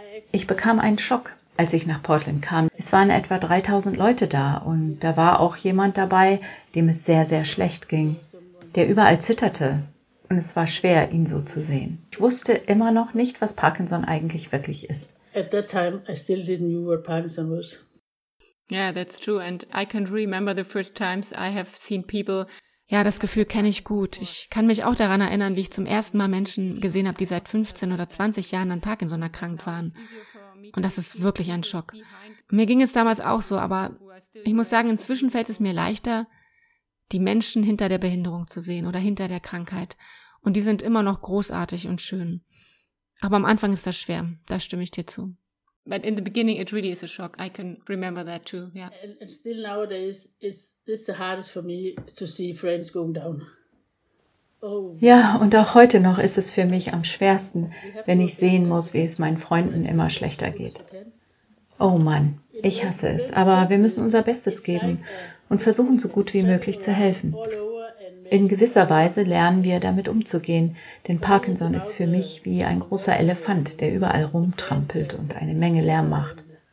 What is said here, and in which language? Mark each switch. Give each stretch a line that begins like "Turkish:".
German: Ich bekam einen Schock, als ich nach Portland kam. Es waren etwa 3000 Leute da und da war auch jemand dabei, dem es sehr, sehr schlecht ging, der überall zitterte. Und es war schwer, ihn so zu sehen. Ich wusste immer noch nicht, was Parkinson eigentlich wirklich ist.
English: At that time, I still didn't know what Parkinson was. Yeah, that's true. And I can remember the first times I have seen people.
German: Ja, das Gefühl kenne ich gut. Ich kann mich auch daran erinnern, wie ich zum ersten Mal Menschen gesehen habe, die seit 15 oder 20 Jahren an Parkinson erkrankt waren. Und das ist wirklich ein Schock. Mir ging es damals auch so, aber ich muss sagen, inzwischen fällt es mir leichter, die Menschen hinter der Behinderung zu sehen oder hinter der Krankheit. Und die sind immer noch großartig und schön. Aber am Anfang ist das schwer, da stimme ich dir zu.
English: But in the beginning it really is a shock. I can remember that too, yeah. And still nowadays it's the hardest for me to see friends going down. Oh.
German: Ja, und auch heute noch ist es für mich am schwersten, wenn ich sehen muss, wie es meinen Freunden immer schlechter geht. Oh Mann, ich hasse es, aber wir müssen unser Bestes geben und versuchen, so gut wie möglich zu helfen. In gewisser Weise lernen wir, damit umzugehen, denn Parkinson ist für mich wie ein großer Elefant, der überall rumtrampelt und eine Menge Lärm macht.